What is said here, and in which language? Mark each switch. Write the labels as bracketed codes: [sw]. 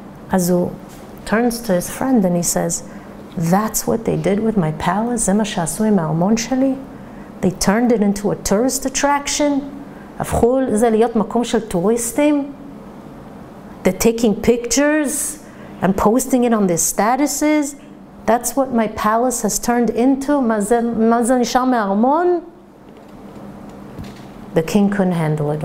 [he] אז הוא [en] turns to his friend and he says, that's what they did with my palace? [he] זה מה שעשו עם הארמון שלי? [en] They turned it into a tourist attraction? [he] הפכו זה להיות מקום של טוריסטים? [en] They're taking pictures and posting it on their statuses? That's what my palace has turned into? [he] מה זה נשאר מהארמון? [en] The king couldn't handle it.